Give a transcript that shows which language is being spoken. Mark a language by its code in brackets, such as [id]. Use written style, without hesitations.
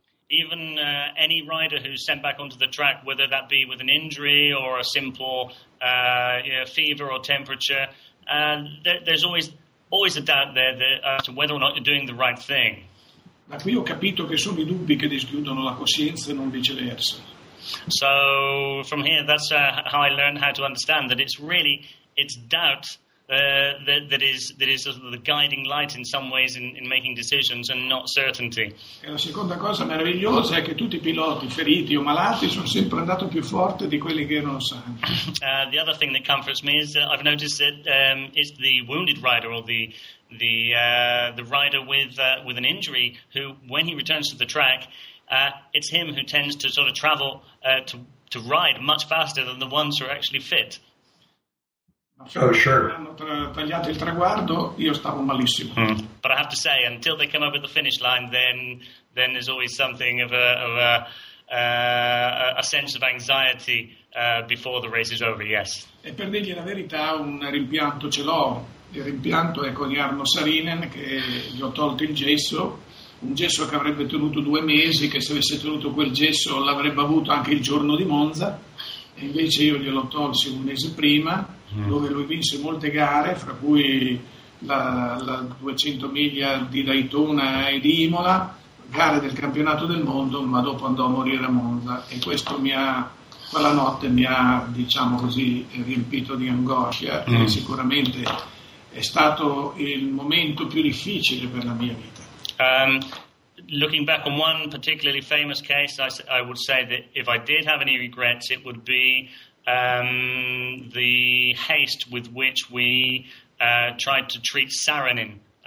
[en] Even any rider who's sent back onto the track, whether that be with an injury or a simple fever or temperature, there's always a doubt there as to whether or not you're doing the right thing. [it] Ma qui ho capito che sono i dubbi che dischiudono la coscienza e non viceversa. [en] So from here, that's how I learned how to understand that it's really doubt that is the guiding light in some ways in making decisions and not certainty. [it] E la seconda cosa meravigliosa è che tutti i piloti feriti o malati sono sempre andato più forte di quelli che erano sani. [en] The other thing that comforts me is I've noticed that it's the wounded rider or the rider with an injury who, when he returns to the track, it's him who tends to sort of travel to ride much faster than the ones who are actually fit. Oh, sure. But I have to say, until they come over the finish line, then there's always something of a sense of anxiety before the race is over, yes. [it] E per dirgli la verità, un rimpianto ce l'ho. Il rimpianto è con Jarno Saarinen, che gli ho tolto il gesso. Un gesso che avrebbe tenuto due mesi, che se avesse tenuto quel gesso l'avrebbe avuto anche il giorno di Monza. E invece io gliel'ho tolsi un mese prima, dove lui vinse molte gare, fra cui la 200 miglia di Daytona e di Imola, gare del campionato del mondo, ma dopo andò a morire a Monza. E questo quella notte mi ha, diciamo così, riempito di angoscia. Mm. E sicuramente è stato il momento più difficile per la mia vita. [en] Looking back on one particularly famous case, I would say that if I did have any regrets, it would be the haste with which we tried to treat Saarinen.